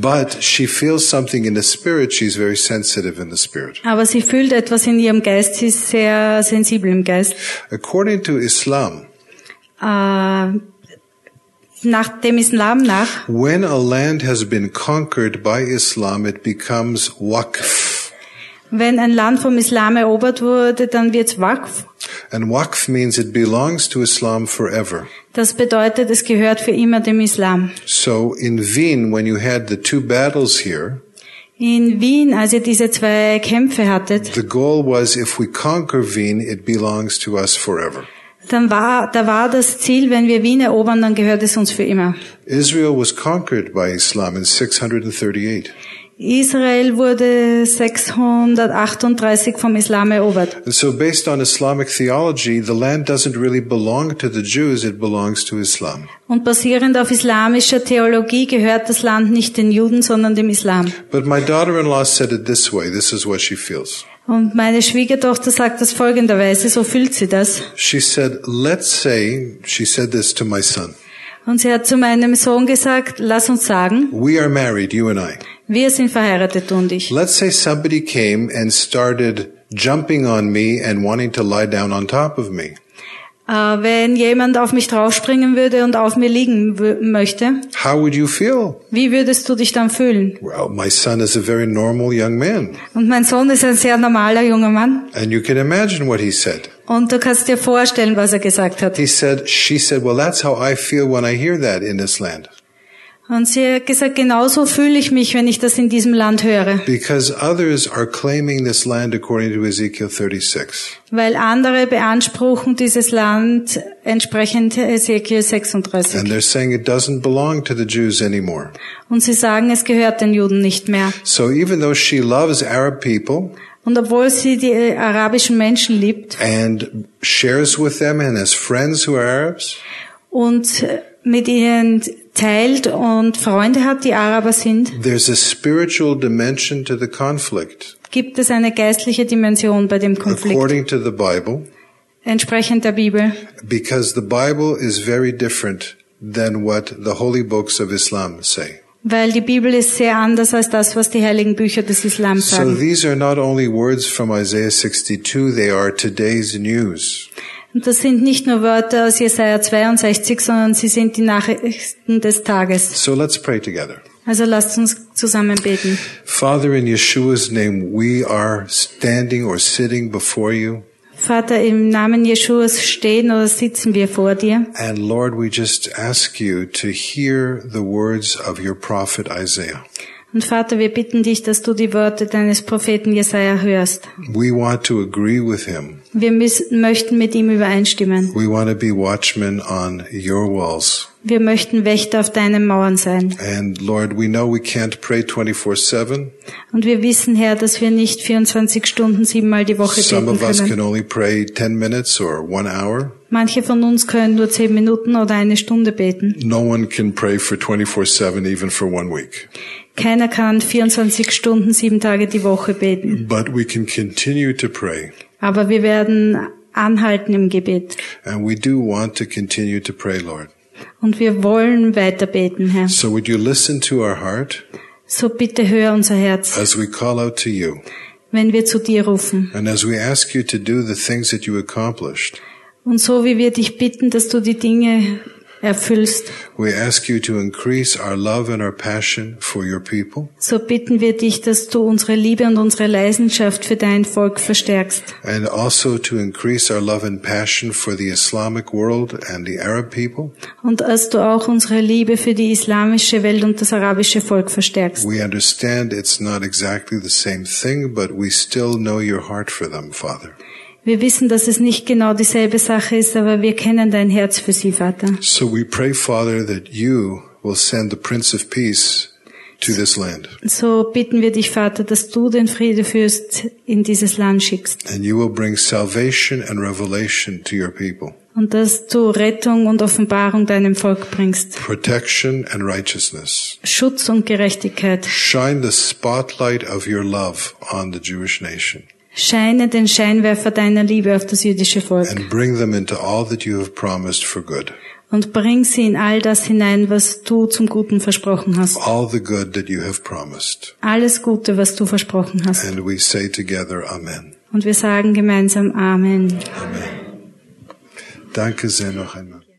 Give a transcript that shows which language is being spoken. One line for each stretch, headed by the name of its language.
English: But she feels something in the spirit. She's very sensitive in the spirit.
German: Aber sie fühlt etwas in ihrem Geist. Sie ist sehr sensibel im Geist.
English: According to Islam.
German: Nach dem Islam nach.
English: When a land has been conquered by Islam, it becomes waqf.
German: Wenn ein Land vom Islam erobert wurde, dann wird's waqf.
English: And waqf means it belongs to Islam forever.
German: Das bedeutet, es gehört für immer dem Islam.
English: So in Wien, when you had the two battles here,
German: in Wien, als ihr diese zwei Kämpfe hattet,
English: the goal was, if we conquer Wien, it belongs to us forever.
German: Dann war, da war das Ziel, wenn wir Wien erobern, dann gehört es uns für immer.
English: Israel was conquered by Islam in 638.
German: Israel wurde 638 vom Islam erobert.
English: So based on Islamic theology, the land doesn't really belong to the Jews, it belongs to Islam.
German: Und basierend auf islamischer Theologie gehört das Land nicht den Juden, sondern dem Islam.
English: But my daughter-in-law said it this way, this is what she feels.
German: Und meine Schwiegertochter sagt das folgenderweise, so fühlt sie das.
English: She said, let's say, she said this to my son.
German: Und sie hat zu meinem Sohn gesagt, lass uns sagen,
English: we are married, you and I.
German: Wir sind verheiratet, du und ich.
English: Let's say somebody came and started jumping on me and wanting to lie down on top of me.
German: Wenn jemand auf mich draufspringen würde und auf mir liegen möchte.
English: How would you feel?
German: Wie würdest du dich dann fühlen?
English: Well, my son is a very normal young man.
German: Und mein Sohn ist ein sehr normaler junger Mann.
English: And you can imagine what he said.
German: Und du kannst dir vorstellen, was er gesagt hat.
English: He said, she said, well, that's how I feel when I hear that in this land.
German: Und sie hat gesagt, genauso fühle ich mich, wenn ich das in diesem Land höre.
English: Because others are claiming this land according to Ezekiel 36.
German: Weil andere beanspruchen dieses Land entsprechend Ezekiel 36.
English: And they're saying it doesn't belong to the Jews anymore.
German: Und sie sagen, es gehört den Juden nicht mehr.
English: So even though she loves Arab people,
German: und obwohl sie die arabischen Menschen liebt,
English: and shares with them and has friends who are Arabs,
German: und mit ihnen teilt und Freunde hat, die Araber sind.
English: There's a spiritual dimension to the conflict.
German: Gibt es eine geistliche Dimension bei dem Konflikt?
English: According to the Bible.
German: Entsprechend der Bibel.
English: Because the Bible is very different than what the holy books of Islam say.
German: Weil die Bibel ist sehr anders als das, was die heiligen Bücher des Islam sagen.
English: So these are not only words from Isaiah 62, they are today's news.
German: Und das sind nicht nur Wörter aus Jesaja 62, sondern sie sind die Nachrichten des Tages.
English: So let's pray together.
German: Also lasst uns zusammen beten.
English: Father, in Yeshua's name, we are standing or sitting before you.
German: Vater, im Namen Yeshuas stehen oder sitzen wir vor dir.
English: And Lord, we just ask you to hear the words of your prophet Isaiah.
German: Und Vater, wir bitten dich, dass du die Worte deines Propheten Jesaja hörst.
English: We want to agree with him.
German: Wir möchten mit ihm übereinstimmen.
English: We want to be watchmen on your walls.
German: Wir möchten Wächter auf deinen Mauern sein.
English: And Lord, we know we can't pray 24/7.
German: Und wir wissen, Herr, dass wir nicht 24 Stunden siebenmal die Woche beten können.
English: Some of us can only pray 10 minutes or 1 hour.
German: Manche von uns können nur 10 Minuten oder eine Stunde beten.
English: No one can pray for 24/7 even for 1 week.
German: Keiner kann 24 Stunden, 7 Tage die Woche beten.
English: But we can continue to pray.
German: Aber wir werden anhalten im Gebet.
English: And we do want to continue to pray, Lord.
German: Und wir wollen weiter beten, Herr.
English: So would you listen to our heart?
German: So bitte hör unser Herz.
English: As we call out to you.
German: Wenn wir zu dir rufen.
English: And as we ask you to do the things that you accomplished.
German: Und so wie wir dich bitten, dass du die Dinge erfüllst.
English: We ask you to increase our love and our passion for your people.
German: So bitten wir dich, dass du unsere Liebe und unsere Leidenschaft für dein Volk verstärkst.
English: And also to increase our love and passion for the Islamic world and the Arab people.
German: Und dass du auch unsere Liebe für die islamische Welt und das arabische Volk verstärkst.
English: We understand it's not exactly the same thing, but we still know your heart for them, Father.
German: Wir wissen, dass es nicht genau dieselbe Sache ist, aber wir kennen dein Herz für sie, Vater.
English: So we pray, Father, that you will send the Prince of Peace to this land.
German: So bitten wir dich, Vater, dass du den Friedefürst in dieses Land schickst.
English: And you will bring salvation and revelation to your people.
German: Und dass du Rettung und Offenbarung deinem Volk bringst.
English: Protection and righteousness.
German: Schutz und Gerechtigkeit.
English: Shine the spotlight of your love on the Jewish nation.
German: Scheine den Scheinwerfer deiner Liebe auf das jüdische Volk.
English: And bring them into all that you have promised for good.
German: Und bring sie in all das hinein, was du zum Guten versprochen hast.
English: All the good that you have promised.
German: Alles Gute, was du versprochen hast.
English: And we say together, Amen.
German: Und wir sagen gemeinsam Amen. Amen. Danke sehr noch einmal.